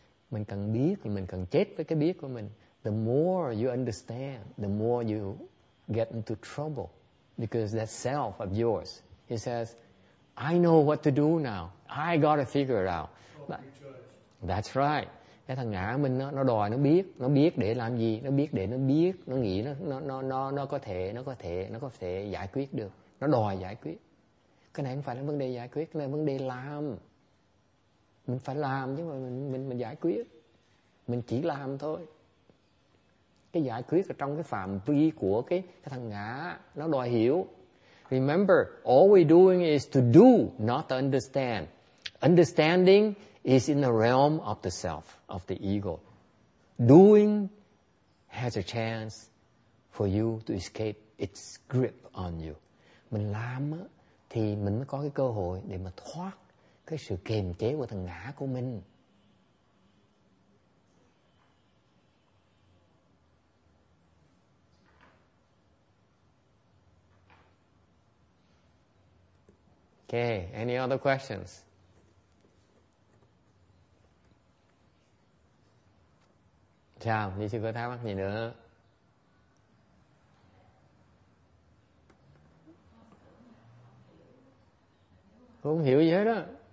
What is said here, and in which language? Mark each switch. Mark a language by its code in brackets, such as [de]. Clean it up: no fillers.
[vi] Mình cần biết thì mình cần chết với cái biết của mình. [en] The more you understand, the more you get into trouble. Because that self of yours, he says, I know what to do now. I gotta figure it out. But, that's right. [vi] Cái thằng ngã mình nó đòi nó biết. Nó biết để làm gì. Nó biết để nó biết. Nó nghĩ nó có thể giải quyết được. Nó đòi giải quyết. Cái này không phải là vấn đề giải quyết. Cái này là vấn đề làm. Mình phải làm chứ mà mình giải quyết. Mình chỉ làm thôi. Cái giải quyết ở trong cái phạm vi của cái thằng ngã. Nó đòi hiểu. [en] Remember, all we're doing is to do, not to understand. Understanding is in the realm of the self, of the ego. Doing has a chance for you to escape its grip on you. [vi] Mình làm thì mình mới có cái cơ hội để mà thoát cái sự kiềm chế của thằng ngã của mình. [en] Okay, any other questions? [vi] Chào, nếu chưa có thắc mắc gì nữa. Không hiểu gì hết á.